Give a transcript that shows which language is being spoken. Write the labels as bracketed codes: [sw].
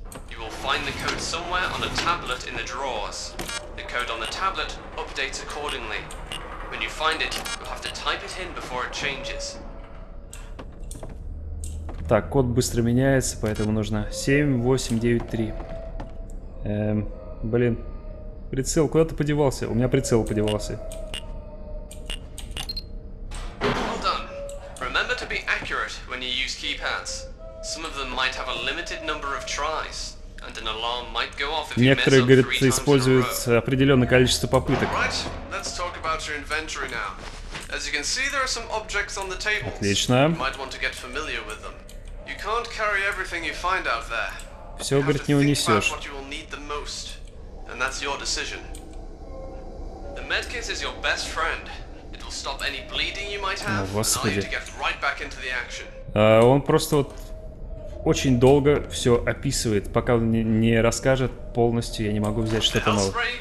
[en] You will find the code somewhere on a tablet in the drawers. The code on the tablet updates accordingly. When you find it, you'll have to type it in before it changes. [ru] Так, код быстро меняется, поэтому нужно 7893. Блин, прицел куда-то подевался. У меня прицел подевался. [en] Well done. Remember to be accurate when you use keypads. Some of them might have a limited number of tries, and an alarm might go off if you mess up three times in a row. [ru] Некоторые используют определенное количество попыток. [en] Right, let's talk about your inventory now. As you can see, there are some objects on the tables. [ru] Отлично. [en] You might want to get familiar with them. You can't carry everything you find out there. [ru] Все, говорит, не унесешь. [en] Think about what you will need the most, and that's your decision. The medkit is your best friend. It will stop any bleeding you might have, and allow you to get right back into the action. [ru] Он просто вот очень долго все описывает, пока он не расскажет полностью, я не могу взять что-то новое.